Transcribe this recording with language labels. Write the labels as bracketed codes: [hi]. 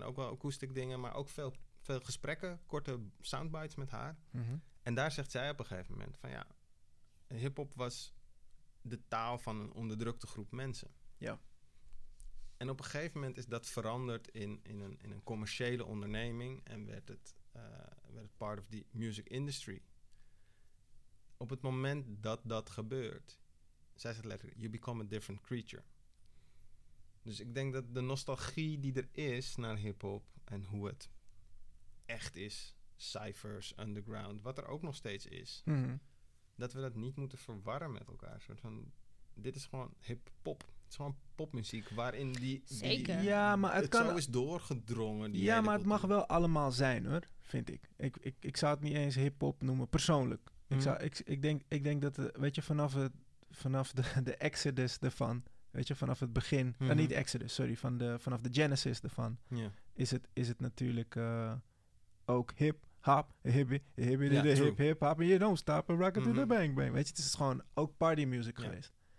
[nl] En ook wel akoestiek dingen. Maar ook veel gesprekken. Korte soundbites met haar. Mm-hmm. En daar zegt zij op een gegeven moment van ja. Hip-hop was de taal van een onderdrukte groep mensen. Ja. En op een gegeven moment is dat veranderd in een commerciële onderneming. En werd het. [en] Werd part of the music industry. [nl] Op het moment dat dat gebeurt, zei ze letterlijk, [en] you become a different creature. [nl] Dus ik denk dat de nostalgie die er is naar hip-hop en hoe het echt is, cyphers, underground, wat er ook nog steeds is, dat we dat niet moeten verwarren met elkaar. Soort van, dit is gewoon hip-pop. Het is gewoon popmuziek waarin die. Zeker. Die, ja, maar het kan zo is doorgedrongen. Die ja, maar het mag wel allemaal zijn hoor, vind ik. Ik zou het niet eens hip-hop noemen, persoonlijk. Ik denk dat, weet je, vanaf de Exodus ervan, weet je, vanaf het begin, niet Exodus, sorry, vanaf de Genesis ervan, is het natuurlijk ook hip. [en] hop, hippie, hippie, yeah, de hip, hip, hop, and you don't stop and rock it to the bang, bang. [nl] Weet je, het is gewoon ook party music geweest.